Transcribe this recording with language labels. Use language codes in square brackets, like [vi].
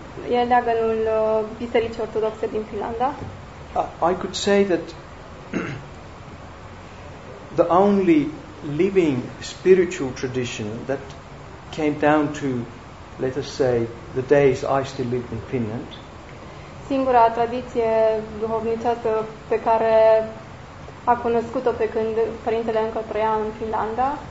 [ro] E leagănul bisericii ortodoxe din Finlanda. [en] I could say that the only living spiritual tradition that came down to, let us say, the days I still live in Finland. [ro] Singura tradiție duhovnicească pe care a cunoscut-o pe când părintele încă trăia în Finlanda